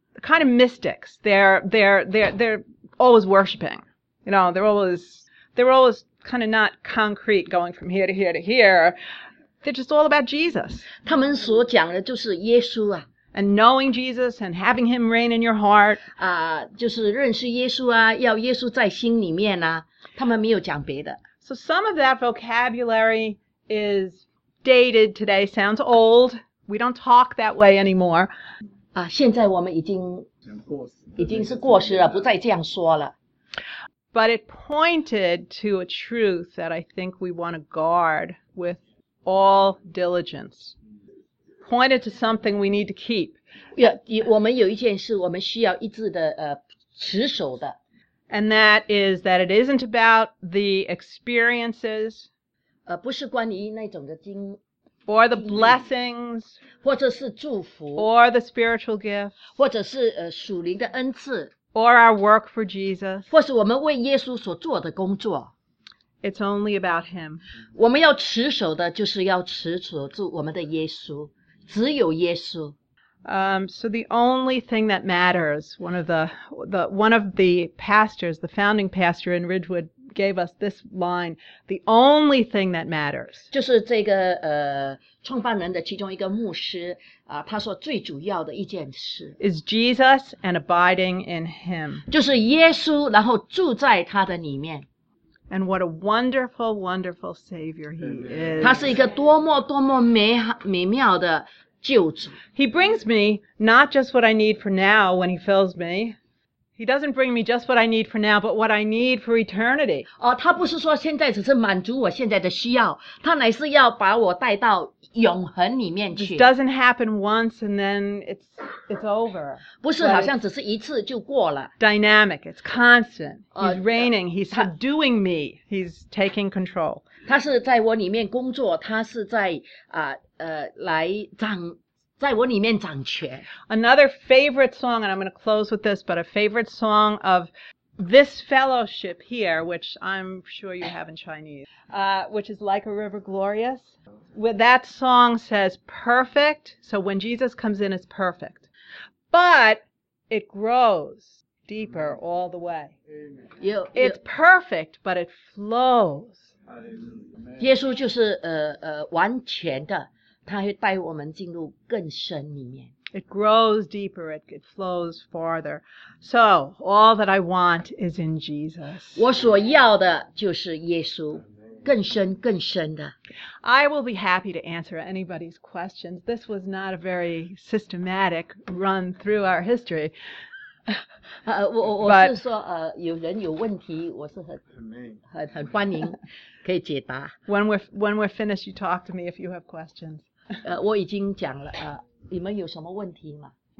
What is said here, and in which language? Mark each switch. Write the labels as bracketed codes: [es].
[en] ？Kind of mystics. They're always worshiping. You know, they're always kind of not concrete going from here to here to here. They're just all about Jesus. [zh] 他们所讲的就是耶稣啊。 [en] And knowing Jesus and having him reign in your heart. [zh] 就是认识耶稣啊，要耶稣在心里面啊。他们没有讲别的。 [en] So some of that vocabulary is dated today, sounds old. We don't talk that way anymore. [zh] 现在我们已经是过时了，不再这样说了。 [en] But it pointed to a truth that I think we want to guard with all diligence. Pointed to something we need to keep. [zh] Yeah, 我们有一件事我们需要一直的持守的。 [en] And that is that it isn't about the experiences. [zh] 不是关于那种的经。 [en] Or the blessings. [zh] 或者是祝福。 [en] Or the spiritual gifts. [zh] 或者是属灵的恩赐。 [en] Or our work for Jesus. [zh] 或是我们为耶稣所做的工作。 [en] It's only about him. [zh] 我们要持守的就是要持守住我们的耶稣。只有耶稣。 [en] So the only thing that matters, one of the pastors, the founding pastor in Ridgewood, gave us this line, the only thing that matters. [zh] 就是这个创办人的其中一个牧师他说最主要的一件事。 [en] Is Jesus and abiding in him. [zh] 就是耶稣然后住在他的里面。 [en] And what a wonderful, wonderful Savior he is. [zh] 他是一个多么多么美妙的救主。 [en] He brings me not just what I need for now when he fills me. He doesn't bring me just what I need for now, but what I need for eternity. [zh] 他不是说现在只是满足我现在的需要，他乃是要把我带到永恒里面去。 [en] It doesn't happen once and then it's over. [zh] 不是好像只是一次就过了。 [en] Dynamic, it's constant. He's reigning, he's subduing me, he's taking control. [zh] 他是在我里面工作，他是在来掌在我里面掌权。 [en] Another favorite song, and I'm going to close with this, but a favorite song of this fellowship here, which I'm sure you have in Chinese, which is Like a River Glorious. Well, that song says perfect, so when Jesus comes in, it's perfect. But it grows deeper all the way. It's perfect, but it flows. [zh] 耶稣就是完全的，他会带我们进入更深里面。 [en] It grows deeper, it flows farther. So, all that I want is in Jesus. [zh] 我所要的就是耶稣，更深更深的。 [en] I will be happy to answer anybody's questions. This was not a very systematic run through our history. [zh] 我是说有人有问题，我是很欢迎可以解答。 [en] When we're finished, you talk to me if you have questions. [zh] 我已经讲了你们有什么问题吗？